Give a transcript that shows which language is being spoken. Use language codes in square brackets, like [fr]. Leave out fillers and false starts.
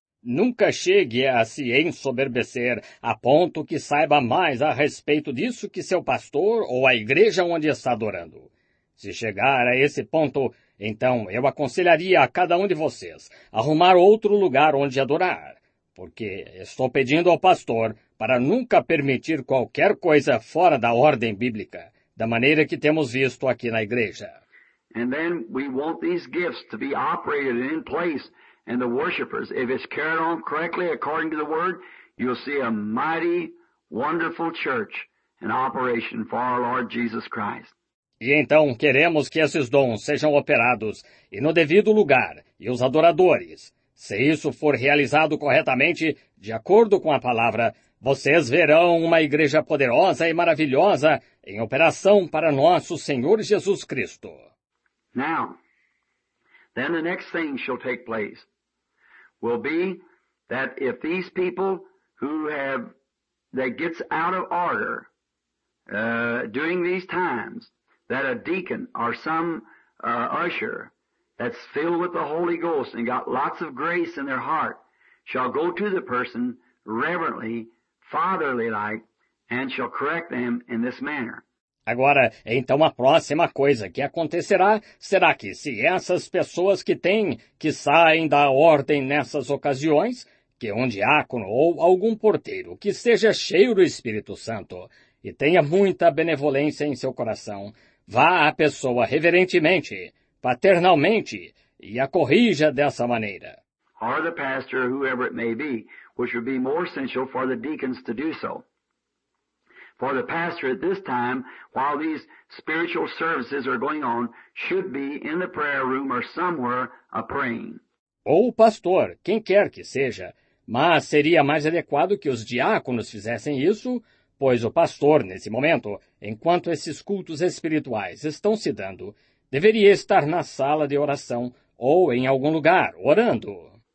[pt] Nunca chegue a se ensoberbecer a ponto que saiba mais a respeito disso que seu pastor ou a igreja onde está adorando. Se chegar a esse ponto, então eu aconselharia a cada um de vocês arrumar outro lugar onde adorar. Porque estou pedindo ao pastor para nunca permitir qualquer coisa fora da ordem bíblica, da maneira que temos visto aqui na igreja. [en] And then we want these gifts to be operated in place and the worshipers. If it's carried on correctly according to the word, you'll see a mighty, wonderful church in operation for our Lord Jesus Christ. [pt] E então queremos que esses dons sejam operados e no devido lugar e os adoradores. Se isso for realizado corretamente, de acordo com a palavra, vocês verão uma igreja poderosa e maravilhosa em operação para nosso Senhor Jesus Cristo. [en] Now, then the next thing shall take place will be that if these people who have, that gets out of order during these times, that a deacon or some usher that's filled with the Holy Ghost and got lots of grace in their heart, shall go to the person reverently, fatherly-like, and shall correct them in this manner. [pt] Agora, então a próxima coisa que acontecerá será que se essas pessoas que saem da ordem nessas ocasiões, que um diácono ou algum porteiro que seja cheio do Espírito Santo e tenha muita benevolência em seu coração, vá à pessoa reverentemente, paternalmente, e a corrija dessa maneira. [en] Or the pastor, whoever it may be, which would be more essential for the deacons to do so. For the pastor at this time, while these spiritual services are going on, should be in the prayer room or somewhere a praying. [pt] Ou o pastor, quem quer que seja, mas seria mais adequado que os diáconos fizessem isso, pois o pastor, nesse momento, enquanto esses cultos espirituais estão se dando, deveria estar na sala de oração ou em algum lugar, orando.